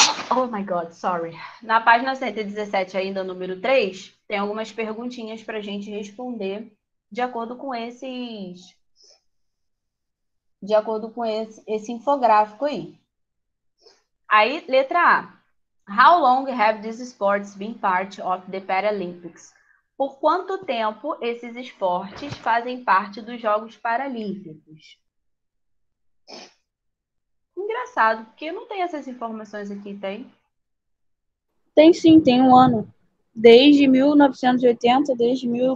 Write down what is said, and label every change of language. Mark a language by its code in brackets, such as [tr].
[en] Oh my God, sorry. [pt] Na página 117, ainda número 3, tem algumas perguntinhas para a gente responder de acordo com esse infográfico aí. Aí, letra A. [en] How long have these sports been part of the Paralympics? [pt] Por quanto tempo esses esportes fazem parte dos Jogos Paralímpicos? Engraçado, porque não tem essas informações aqui, tem? Tem sim, tem 1 ano. Desde 1980, desde